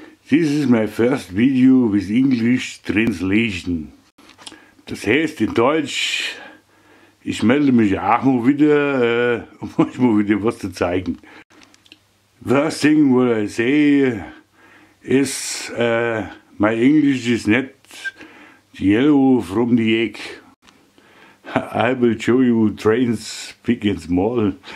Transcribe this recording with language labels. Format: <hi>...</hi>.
<en>This is my first video with English translation.</en> <de>Das heißt in Deutsch, ich melde mich auch mal wieder, um euch mal wieder was zu zeigen.</de> <en>First thing what I say is, my English is not yellow from the egg. I will show you trains big and small.</en>